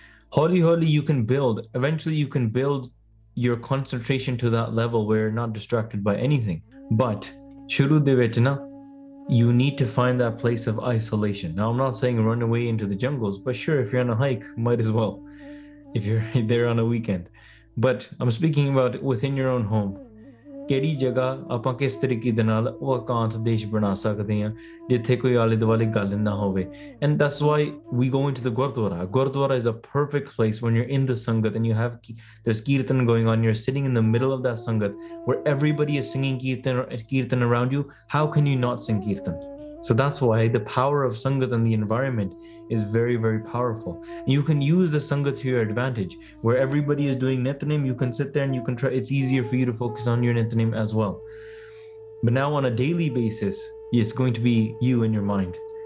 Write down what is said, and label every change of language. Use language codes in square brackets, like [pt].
[en] Holy, holy, you can build. Eventually you can build your concentration to that level where you're not distracted by anything. But [pa] shuru de vich na, [en] you need to find that place of isolation. Now, I'm not saying run away into the jungles, but sure, if you're on a hike, might as well, if you're there on a weekend. But I'm speaking about within your own home. [pa] ਕਿਹੜੀ ਜਗ੍ਹਾ ਆਪਾਂ ਕਿਸ ਤਰੀਕੇ ਦੇ ਨਾਲ ਉਹ ਇਕਾਂਤ ਦੇਸ਼ ਬਣਾ ਸਕਦੇ ਹਾਂ ਜਿੱਥੇ ਕੋਈ ਆਲੇ ਦੁਆਲੇ ਗੱਲ ਨਾ ਹੋਵੇ. [en] And that's why we going to the gurdwara. Gurdwara is a perfect place when you're in the sangat and you have there's kirtan going on, you're sitting in the middle of that sangat where everybody is singing kirtan kirtan around you, how can you not sing kirtan? So that's why the power of Sangat and the environment is very, very powerful. You can use the Sangat to your advantage. Where everybody is doing Nitanim, you can sit there and you can try. It's easier for you to focus on your Nitanim as well. But now on a daily basis, it's going to be you and your mind.